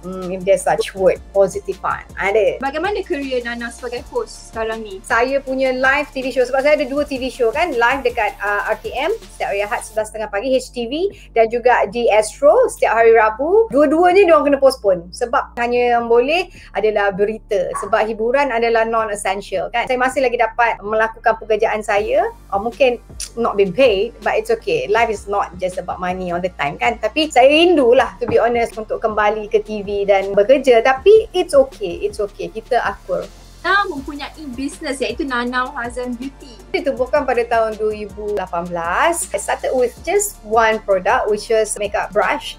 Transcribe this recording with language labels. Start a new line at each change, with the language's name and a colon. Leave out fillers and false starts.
English: If there's such word, positifan.
Malay: Ada. Bagaimana career Nana sebagai host sekarang ni? Saya punya live TV show, sebab saya ada dua TV show kan. Live dekat RTM setiap hari Ahad 11.30 pagi, HTV, dan juga di Astro setiap hari Rabu. Dua-duanya diorang kena postpone, sebab hanya yang boleh adalah berita. Sebab hiburan adalah non-essential kan. Saya masih lagi dapat melakukan pekerjaan saya. Mungkin
English: not being paid, but it's okay. Life is not just about money all the time kan.
Malay: Tapi saya rindulah,
English: to be honest,
Malay: untuk kembali ke TV dan bekerja. Tapi
English: it's okay, it's okay.
Malay: Kita akur. Nana mempunyai business, iaitu Nana Hazan Beauty. Ditubuhkan pada tahun 2018.
English: I started with just one product, which was makeup brush.